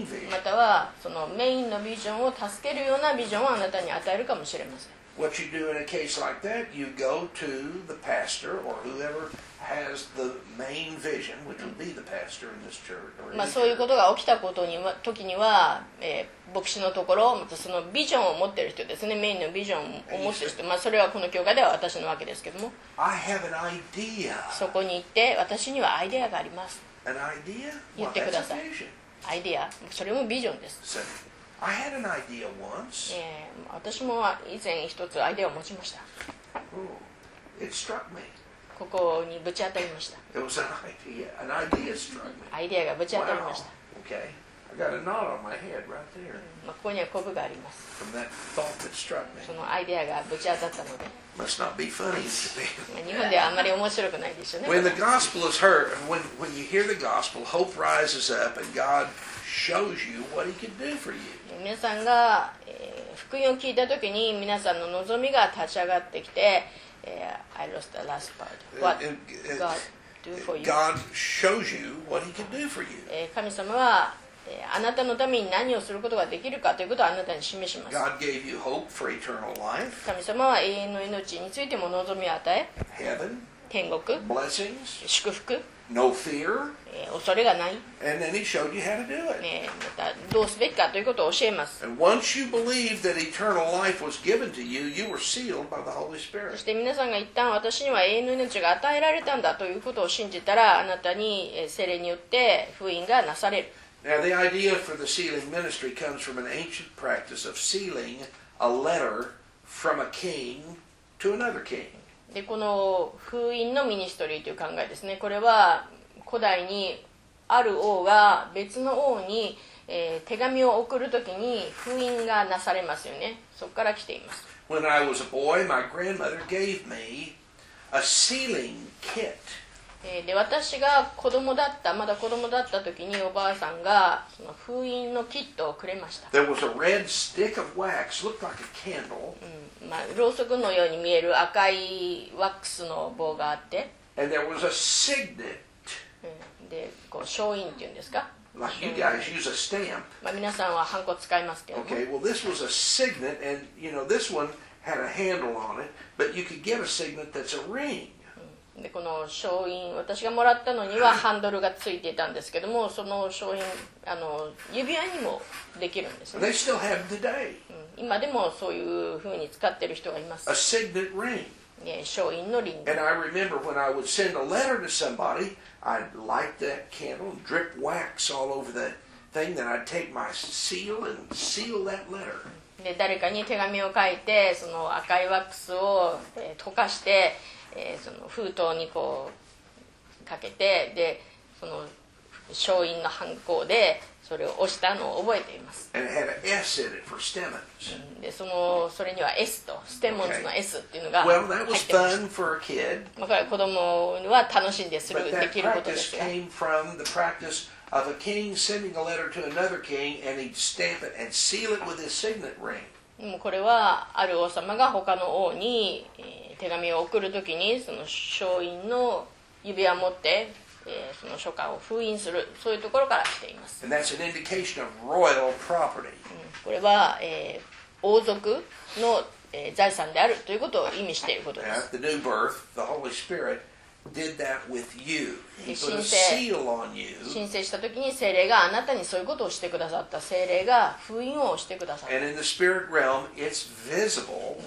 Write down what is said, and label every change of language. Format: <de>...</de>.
<ja>またはそのメインのビジョンを助けるようなビジョンをあなたに与えるかもしれません。</ja> <en>What you do in a case like that, you go to the pastor or whoever has the main vision, which would be the pastor in this church.</en> <ja>まあそういうことが起きたことに時には、牧師のところ、またそのビジョンを持っている人ですね、メインのビジョンを持っている人、まあそれはこの教会では私のわけですけども。</ja> <en>I have an idea.</en> <ja>そこに行って、私にはアイデアがあります。</ja> <en>An idea?</en> <ja>言ってください。</ja> <en>Well, that's a vision.</en> <ja>アイデア、それもビジョンです。</ja> <en>So,I had an idea once.</en> <ja>私も以前一つアイデアを持ちました。</ja> <en>Oh, it struck me.</en> <ja>ここにぶち当たりました。</ja> <en>It was an idea struck me.</en> <ja>アイデアがぶち当たりました。</ja> <en>Wow. Okay. I got a knot on my head right there.</en> <ja>まあ、ここにはコブがあります。</ja> <en>From that thought that struck me.</en> <ja>そのアイデアがぶち当たったので。</ja> <en>Must not be funny to me.</en> <ja>日本ではあんまり面白くないでしょうね。</ja> <en>When the gospel is heard, when you hear the gospel, hope rises up and God shows you what he can do for you.</en> <ja>皆さんが、福音を聞いたときに皆さんの望みが立ち上がってきて、</ja> <en>I lost the last part. What God do for you? God shows you what he can do for you.</en> <ja>神様は、あなたのために何をすることができるかということをあなたに示します。</ja> <en>God gave you hope for eternal life.</en> <ja>神様は永遠の命についても望みを与え、</ja> <en>Heaven,</en> <ja>天国、</ja> <en>blessings,</en> <ja>祝福、</ja> <en>No fear.</en> <ja>恐れがない。</ja> <en>And then he showed you how to do it.</en> <ja>またどうすべきかということを教えます。</ja> <en>And once you believed that eternal life was given to you, you were sealed by the Holy Spirit.</en> <ja>そして皆さんが一旦私には永遠の命が与えられたんだということを信じたら、あなたに聖霊によって封印がなされる。</ja> <en>Now the idea for the sealing ministry comes from an ancient practice of sealing a letter from a king to another king.</en> <ja>で、この封印のミニストリーという考えですね。これは古代にある王が別の王に、手紙を送るときに封印がなされますよね。そこから来ています。</ja> <en>When I was a boy, my grandmother gave me a sealing kit.</en> <ja>で、私が子供だった、まだ子供だったときにおばあさんがその封印のキットをくれました。</ja> <en>There was a red stick of wax, looked like a candle.</en> <ja>うん、まあ、ろうそくのように見える赤いワックスの棒があって。</ja> <en>And there was a signet.</en> <ja>で、こう証印っていうんですか、</ja> <en>like、you guys use a stamp.</en> <ja>まあ皆さんはハンコ使いますけど、</ja> <en>okay, well, this was a signet, and you know, this one had a handle on it, but you could get a signet that's a ring.</en> <ja>で、この証印、私がもらったのにはハンドルがついていたんですけども、その証印、あの指輪にもできるんですね。</ja> <en>They still have today.</en> <ja>今でもそういう風に使ってる人がいます。</ja> <en>A signet ring.</en> <ja>ね、証印のリング。</ja> <en>And I remember when I would send a letter to somebody, I'd light that candle, drip wax all over the thing, then I'd take my seal and seal that letter.</en> <ja>で、誰かに手紙を書いて、その赤いワックスを、溶かして、その封筒にこうかけて、で、その証印のハンコでそれを押したのを覚えています。</ja> <en>And it had an S in it for Stemmons.</en> <ja>で、そのそれには S と、ステモンズの S っていうのが入ってました。</ja> <en>Well, that was fun for a kid.</en> <ja>まあ、子供は楽しんでする、できることですが。</ja> <en>But that practice came from the practice of a king sending a letter to another king, and he'd stamp it and seal it with his signet ring.</en> <ja>でもこれはある王様が他の王に手紙を送るときに、その証印の指輪を持って、その書簡を封印する、そういうところから来ています。</ja> <en>And that's an indication of royal property.</en> <ja>これは、王族の、財産であるということを意味していることです。</ja> <en>At the new birth, the Holy Spirit did that with you. He put a seal on you.</en> <ja>申請した時に聖霊があなたにそういうことをしてくださった。聖霊が封印をしてくださった。</ja> <en>And in the spirit realm, it's visible.</en>